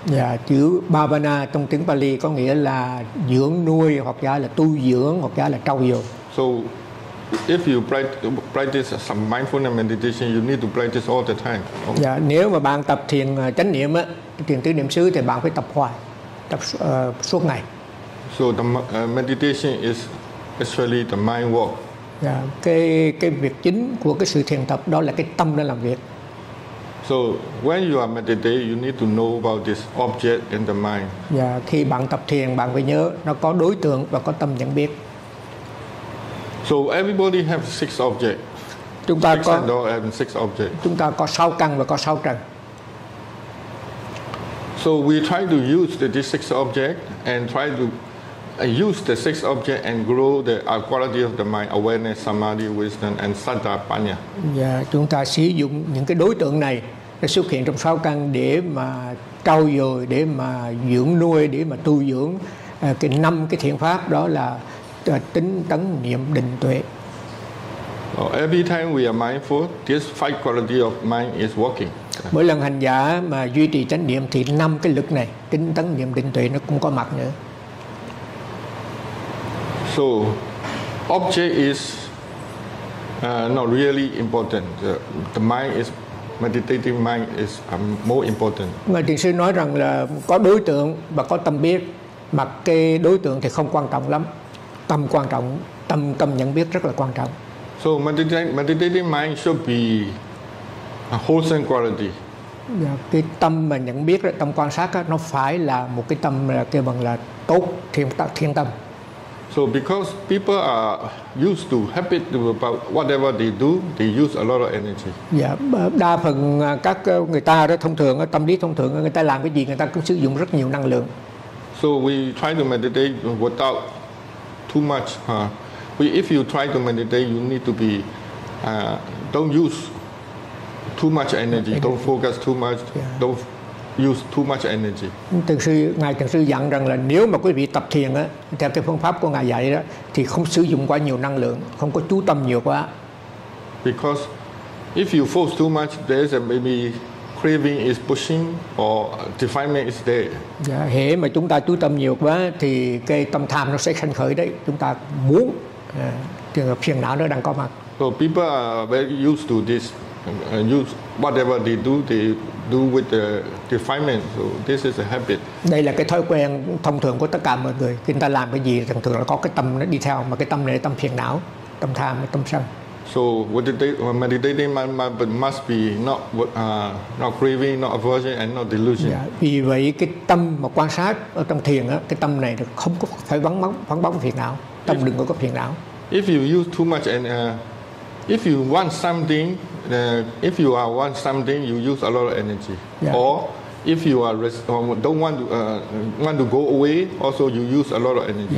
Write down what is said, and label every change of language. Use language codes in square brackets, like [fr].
[vi] Yeah, chữ bhavana trong tiếng Pali có nghĩa là dưỡng nuôi hoặc giả là tu dưỡng hoặc giả là trau dồi. [en] So, if you practice some mindfulness meditation, you need to practice all the time. Okay. [vi] Yeah, nếu mà bạn tập thiền chánh niệm á, thiền tứ niệm xứ thì bạn phải tập hoài, tập suốt ngày. [en] So the meditation is actually the mind work. [vi] Yeah, cái việc chính của cái sự thiền tập đó là cái tâm đang làm việc. [en] So when you are meditating, you need to know about this object in the mind. [vi] Yeah, khi bạn tập thiền, bạn phải nhớ nó có đối tượng và có tâm nhận biết. [en] So everybody have six objects. [vi] Chúng ta [en] six [vi] có [en] and six objects. [vi] Chúng ta có sáu căn và có sáu trần. [en] So we try to use the six objects and try to use the six object and grow the quality of the mind, awareness, samadhi, wisdom, and sadha panya. [vi] Yeah, chúng ta sử dụng những cái đối tượng này để xuất hiện trong sáu căn để mà trau dồi, để mà dưỡng nuôi, để mà tu dưỡng cái năm cái thiện pháp đó là tính tấn niệm định tuệ. [en] Every time we are mindful, this five quality of mind is working. [vi] Mỗi lần hành giả mà duy trì chánh niệm thì năm cái lực này, tính tấn niệm định tuệ nó cũng có mặt nữa. [en] So, object is not really important. The mind is meditating mind is more important. [vi] Ngài thiền sư nói rằng là có đối tượng và có tâm biết, mà cái đối tượng thì không quan trọng lắm. Tâm quan trọng, tâm nhận biết rất là quan trọng. [en] So meditating mind should be a wholesome quality. [vi] Yeah, cái tâm mà nhận biết, tâm quan sát đó, nó phải là một cái tâm là kêu bằng là tốt thiện tâm. [en] So because people are used to habit about whatever they do, they use a lot of energy. [vi] Yeah, đa phần các người ta đó thông thường, tâm lý thông thường, người ta làm cái gì người ta cũng sử dụng rất nhiều năng lượng. [en] So we try to meditate without too much. If you try to meditate, you need to be don't use too much energy, don't focus too much, don't use too much energy. [vi] Ngài thiền sư dặn rằng là nếu mà quý vị tập thiền á theo cái phương pháp của ngài dạy đó thì không sử dụng quá nhiều năng lượng, không có chú tâm nhiều quá. [en] Because if you focus too much, there's a maybe craving is pushing or defilement is there. [vi] Dạ, hễ mà chúng ta chú tâm nhiều quá thì cái tâm tham nó sẽ sanh khởi đấy, chúng ta muốn thì phiền não nó đang có mặt. [en] So people are very used to this. And use whatever they do with the defilement. So this is a habit. [vi] Đây là cái thói quen thông thường của tất cả mọi người. Khi ta làm cái gì thường thường là có cái tâm nó đi theo, mà cái tâm này là tâm phiền não, tâm tham, tâm sân. [en] So meditating mind must be not craving, not aversion, and not delusion. [vi] Yeah, vì vậy cái tâm mà quan sát ở trong thiền á, cái tâm này không có phải vắng bóng phiền não. Tâm đừng có phiền não. [en] If you use too much and if you want something, if you want something, you use a lot of energy. Yeah. Or If you are don't want to go away, also you use a lot of energy.